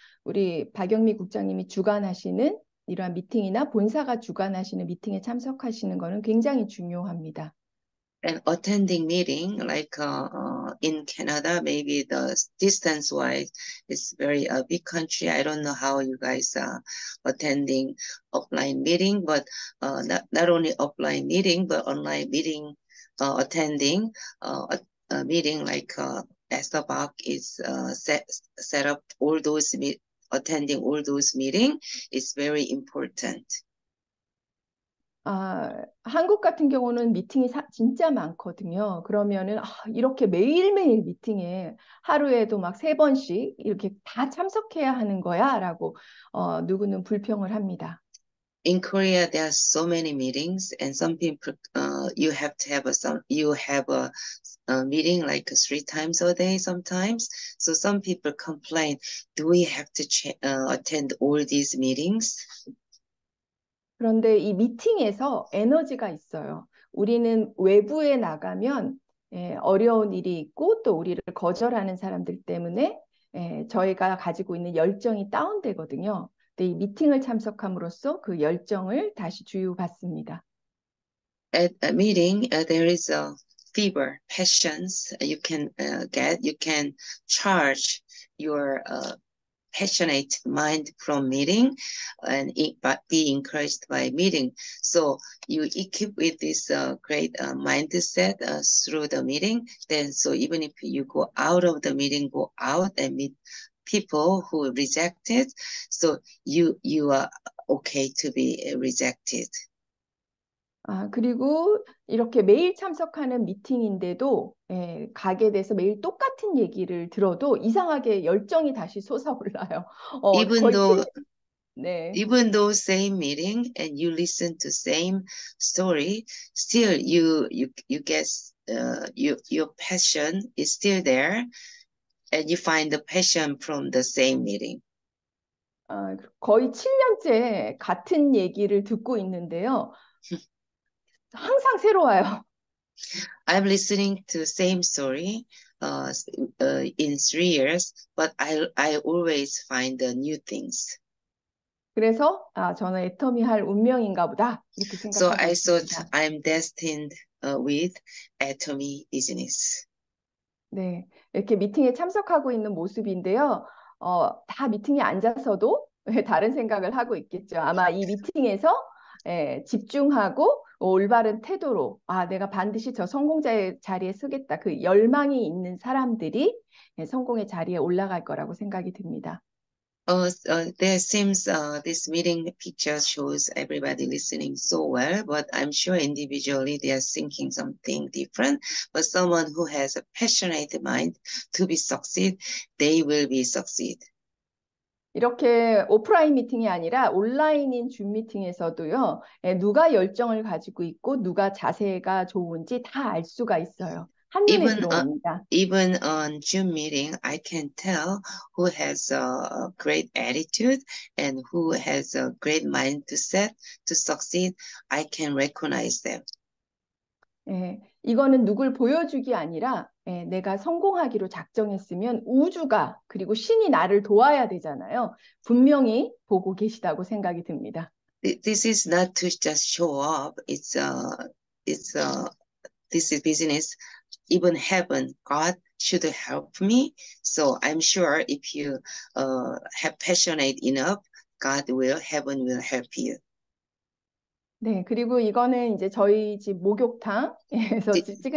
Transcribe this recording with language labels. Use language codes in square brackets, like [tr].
[ko] 우리 박영미 국장님이 주관하시는 이러한 미팅이나 본사가 주관하시는 미팅에 참석하시는 거는 굉장히 중요합니다. [en] And attending meeting like in Canada, maybe the distance wise it's very a big country. I don't know how you guys are attending offline meeting, but not only offline meeting but online meeting attending a meeting like SBOC is set up all those meet attending all those meeting is very important. [ko] 한국 같은 경우는 미팅이 진짜 많거든요. 그러면은 이렇게 매일매일 미팅에 하루에도 막세 번씩 이렇게 다 참석해야 하는 거야라고 누구는 불평을 합니다. [en] In Korea, there are so many meetings, and some people, you have to have a some you have a meeting like 3 times a day sometimes. So some people complain, do we have to attend all these meetings? [ko] 그런데 이 미팅에서 에너지가 있어요. 우리는 외부에 나가면 어려운 일이 있고 또 우리를 거절하는 사람들 때문에 저희가 가지고 있는 열정이 다운되거든요. 근데 이 미팅을 참석함으로써 그 열정을 다시 주유받습니다. [en] At a meeting, there is a fever, passions you can get. You can charge your passionate mind from meeting and be encouraged by meeting. So you keep with this great mindset through the meeting. Then, so even if you go out of the meeting, go out and meet people who reject it, so you are okay to be rejected. [ko] 그리고 이렇게 매일 참석하는 미팅인데도 가게 돼서 매일 똑같은 얘기를 들어도 이상하게 열정이 다시 솟아올라요. 거의 네. [en] Even though same meeting and you listen to same story, still you guess your passion is still there and you find the passion from the same meeting. [ko] 거의 7년째 같은 얘기를 듣고 있는데요. 항상 새로워요. [en] I'm listening to same story in 3 years, but I always find the new things. [ko] 그래서 저는 애터미 할 운명인가 보다 이렇게 [en] So [ko] 생각하고 [en] I thought [ko] 있습니다. [en] I'm destined with Atomy business. [ko] 네, 이렇게 미팅에 참석하고 있는 모습인데요. 다 미팅에 앉아서도 다른 생각을 하고 있겠죠. 아마 이 미팅에서 집중하고 올바른 태도로 내가 반드시 저 성공자의 자리에 서겠다. 그 열망이 있는 사람들이 성공의 자리에 올라갈 거라고 생각이 듭니다. [en] There seems this meeting picture shows everybody listening so well, but I'm sure individually they are thinking something different. But someone who has a passionate mind to be succeed, they will be succeed. [ko] 이렇게 오프라인 미팅이 아니라 온라인인 줌 미팅에서도요, 누가 열정을 가지고 있고 누가 자세가 좋은지 다알 수가 있어요. 한눈에 들어옵니다. [en] Even on Zoom meeting, I can tell who has a great attitude and who has a great mind to set to succeed. I can recognize them. [ko] 이거는 누굴 보여주기 아니라 내가 성공하기로 작정했으면 우주가 그리고 신이 나를 도와야 되잖아요. 분명히 보고 계시다고 생각이 듭니다. [en] This is not to just show up. This is business. Even heaven, God should help me. So I'm sure if you have passionate enough, heaven will help you. [ko] 네, 그리고 이거는 이제 저희 집 목욕탕에서 찍은